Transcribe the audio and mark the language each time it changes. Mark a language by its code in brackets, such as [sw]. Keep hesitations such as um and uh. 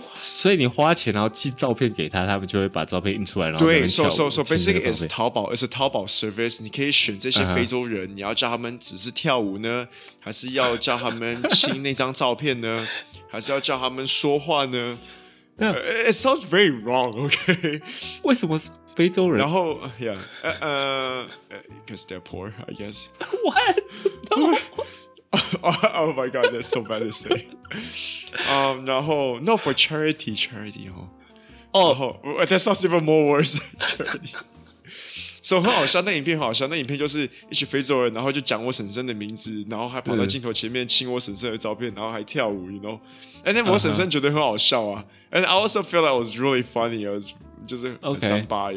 [zh] 所以你花钱然后寄照片给他，他们就会把照片印出来，然后对 so,， [en] so so basically it's [zh] 淘宝，it's 淘宝 service，你可以选这些非洲人，uh huh. 你要叫他们只是跳舞呢，还是要叫他们亲那张照片呢， 还是要叫他们说话呢 [en] h it sounds very wrong, okay？ [zh] 为什么是非洲人？ [en] 然后，yeah，呃、uh,，because、uh, they're poor, I guess。 [zh] 我懂。 [en] oh my god, that's so bad to say. Um, no, no, for charity, charity, oh. that oh. sounds even more worse. [zh] so 很好笑，那影片很好笑，那影片就是一群非洲人，然后就讲我婶婶的名字，然后还跑到镜头前面亲我婶婶的照片，然后还跳舞，you know，and then 我婶婶觉得很好笑啊、uh huh.， [en] and I also feel like it was really funny， it was [zh] 就是很三八 <Okay.